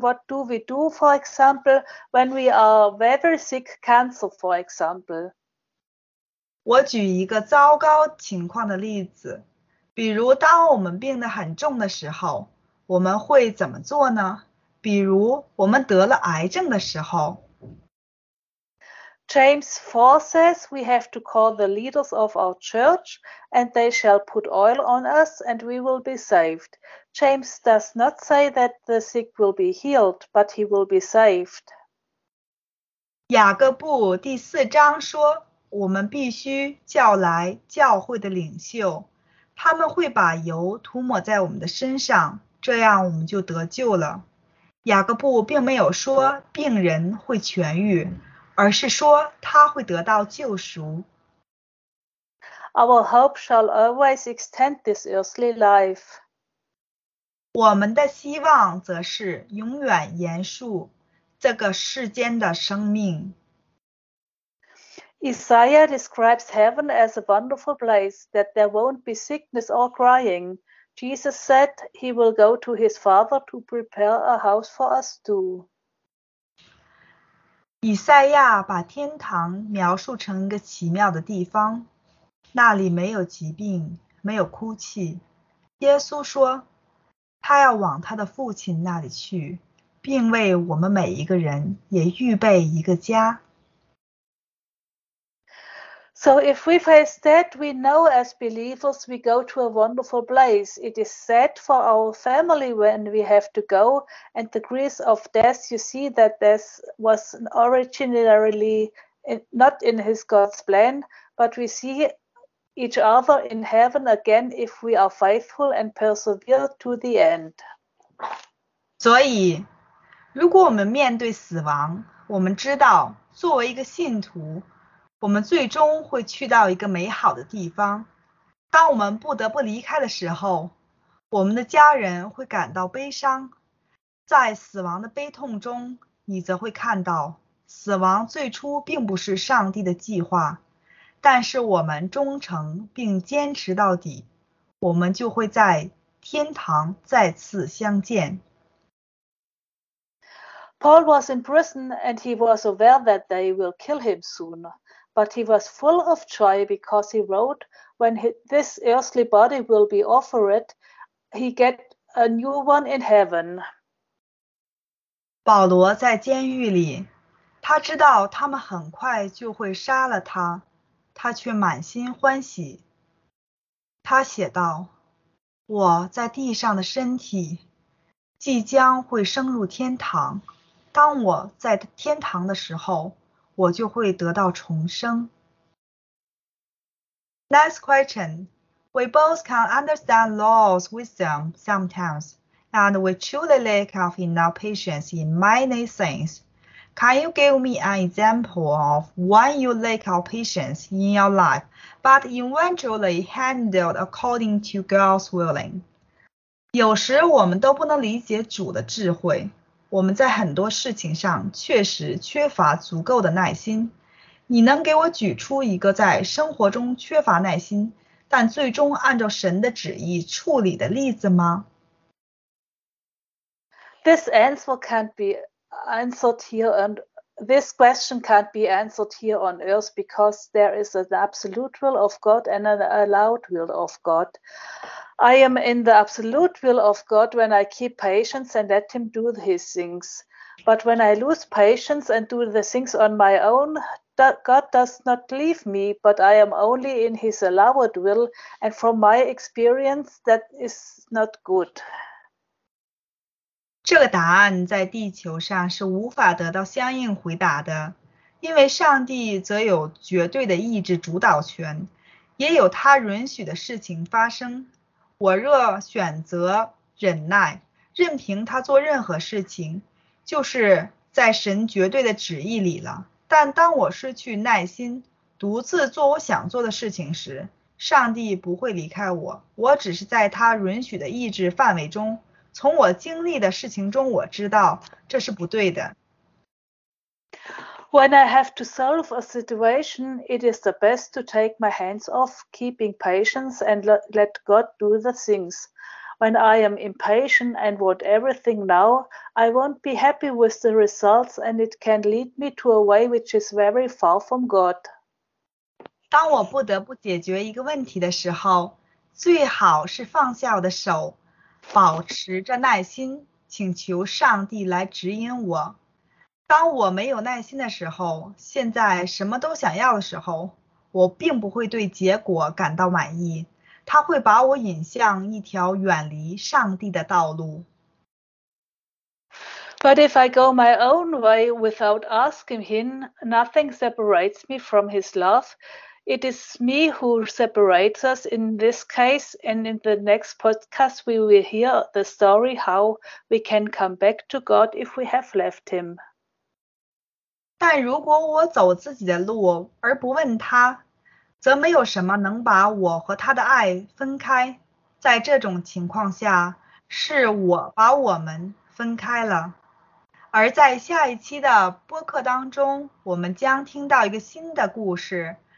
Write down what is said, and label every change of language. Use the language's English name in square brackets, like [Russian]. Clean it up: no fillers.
[English] What do we do, for example, when we are very sick, cancer, for example? [Chinese] 我举一个糟糕情况的例子，比如当我们病得很重的时候，我们会怎么做呢？比如我们得了癌症的时候。 [English] James 4 says we have to call the leaders of our church and they shall put oil on us and we will be saved. James does not say that the sick will be healed, but he will be saved. [Chinese] 雅各布第四章说我们必须叫来教会的领袖，他们会把油涂抹在我们的身上，这样我们就得救了。雅各布并没有说病人会痊愈，而是说他会得到救赎。 [English] Our hope shall always extend this earthly life. [Chinese] 我们的希望则是永远延续这个世间的生命。 [English] Isaiah describes heaven as a wonderful place, that there won't be sickness or crying. Jesus said he will go to his Father to prepare a house for us too. [Chinese] 以赛亚把天堂描述成一个奇妙的地方，那里没有疾病，没有哭泣。耶稣说，他要往他的父亲那里去，并为我们每一个人也预备一个家。 [English] So if we face that, we know as believers we go to a wonderful place. It is sad for our family when we have to go, and the grief of death, you see that death was originally not in his God's plan, but we see each other in heaven again if we are faithful and persevere to the end. [Chinese] 所以，如果我们面对死亡，我们知道作为一个信徒，我们最终会去到一个美好的地方。当我们不得不离开的时候，我们的家人会感到悲伤。在死亡的悲痛中，你则会看到，死亡最初并不是上帝的计划，但是我们忠诚并坚持到底，我们就会在天堂再次相见。 [English] Paul was in prison and he was aware that they will kill him soon. But he was full of joy because he wrote, when this earthly body will be offered, he get a new one in heaven. [Chinese] 保罗在监狱里，他知道他们很快就会杀了他，他却满心欢喜。他写道，我在地上的身体即将会升入天堂，当我在天堂的时候，我就会得到重生。 [English] Next question. We both can understand Law's wisdom sometimes, and we truly lack of enough patience in many things. Can you give me an example of when you lack of patience in your life, but eventually handled according to God's willing? [Chinese] 有时我们都不能理解主的智慧，我们在很多事情上确实缺乏足够的耐心。你能给我举出一个在生活中缺乏耐心，但最终按照神的旨意处理的例子吗？ [English] This answer can't be answered here, and this question can't be answered here on earth because there is an absolute will of God and an allowed will of God. I am in the absolute will of God when I keep patience and let him do his things. But when I lose patience and do the things on my own, God does not leave me, but I am only in his allowed will. And from my experience, that is not good. [Chinese] 这个答案在地球上是无法得到相应回答的，因为上帝则有绝对的意志主导权，也有他允许的事情发生。我若选择忍耐，任凭他做任何事情，就是在神绝对的旨意里了。但当我失去耐心，独自做我想做的事情时，上帝不会离开我，我只是在他允许的意志范围中。从我经历的事情中，我知道这是不对的。 [English] When I have to solve a situation, it is the best to take my hands off, keeping patience and let God do the things. When I am impatient and want everything now, I won't be happy with the results and it can lead me to a way which is very far from God. [Chinese] 当我不得不解决一个问题的时候，最好是放下我的手，保持着耐心，请求上帝来指引我。当我没有耐心的时候，现在什么都想要的时候，我并不会对结果感到满意，它会把我引向一条远离上帝的道路。 [English] But if I go my own way without asking him, nothing separates me from his love. It is me who separates us in this case, and in the next podcast we will hear the story how we can come back to God if we have left him. [Chinese] 但如果我走自己的路而不问他，则没有什么能把我和他的爱分开。在这种情况下，是我把我们分开了。而在下一期的播客当中，我们将听到一个新的故事。